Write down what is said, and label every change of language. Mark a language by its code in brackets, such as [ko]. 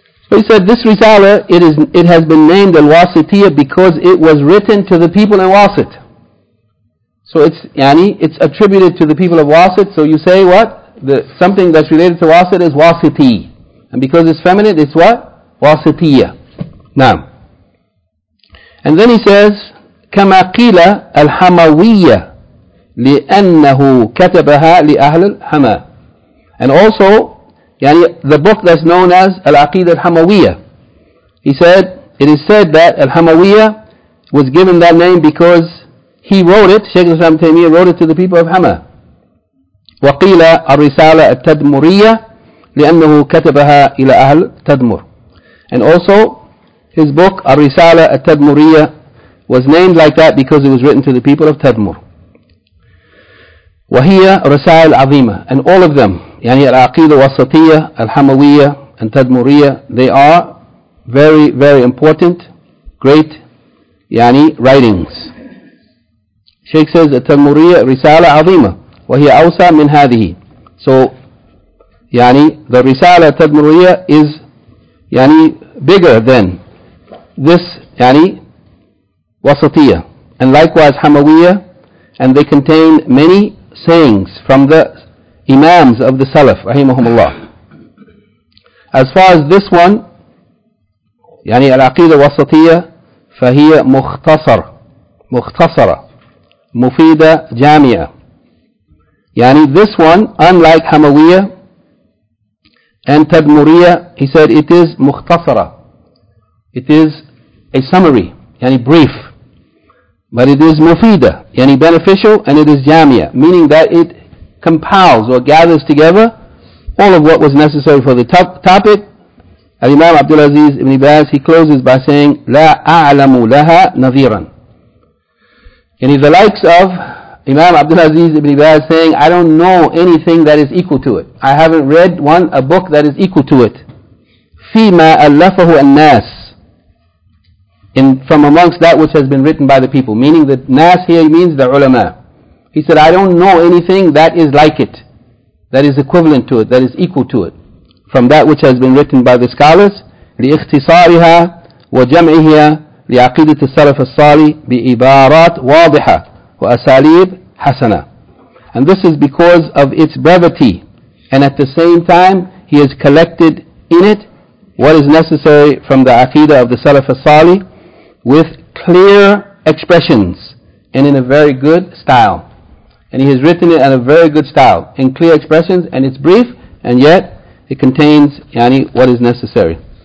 [en] So he said, this risala, it has been named al-Wasitiyya because it was written to the people in Wasit. So it's yani, it's attributed to the people of Wasit. So you say what? The something that's related to Wasit is Wasiti. And because it's feminine, it's what? Wasitiya. Naam. And then he says, [ar] كما قيل الحموية لأنه كتبها لأهل الحما. [en] And also, yani, the book that's known as Al-Aqidah Al-Hamawiyyah. He said, it is said that Al-Hamawiyyah was given that name because he wrote it, Shaykh Islam Taymiyyah wrote it to the people of Hama. [ar] وَقِيلَ الرِّسَالَ التَّدْمُرِيَّةِ لِأَنَّهُ كَتَبَهَا إِلَىٰ أَهْلِ تَدْمُرِ. [en] And also, his book, الرِّسَالَ التَّدْمُرِيَّةِ was named like that because it was written to the people of Tadmur. [ar] وَهِيَ رَسَائِلْ عَظِيمَةِ. [en] And all of them, يعني العقيدة الوسطية, الحموية, and تدمورية, they are very, very important, great, يعني writings. Sheikh says, [ar] التدمورية رسالة عظيمة. وهي أوسع من هذه. [en] So, يعني the رسالة التدمورية is يعني bigger than this, يعني وسطية. And likewise, حموية, and they contain many sayings from the Imams of the Salaf, rahimahumullah. As far as this one, [ar] يعني العقيدة الوسطية فهي مختصر, مختصرة, مفيدة جامعة. [en] يعني this one, unlike حموية and تدمورية, he said it is مختصرة. It is a summary, يعني brief. But it is مفيدة, يعني beneficial, and it is جامعة, meaning that it compiles or gathers together all of what was necessary for the topic. Al-Imam Abdul Aziz Ibn Baz, he closes by saying, [ar] La a'lamu laha nadhiran. [en] Yani the likes of Imam Abdul Aziz Ibn Baz saying, I don't know anything that is equal to it. I haven't read one, a book that is equal to it. [ar] Fima allafahu an-nas. [en] In, from amongst that which has been written by the people, meaning that nas here means the ulama. He said, I don't know anything that is like it, that is equivalent to it, that is equal to it, from that which has been written by the scholars. [ar] لاختصارها وجمعها لعقيدة السلف الصالح بعبارات واضحة وأساليب حسنة. [en] And this is because of its brevity, and at the same time he has collected in it what is necessary from the aqidah of the Salaf al-Salih with clear expressions and in a very good style. And he has written it in a very good style, in clear expressions, and it's brief, and yet it contains yani what is necessary.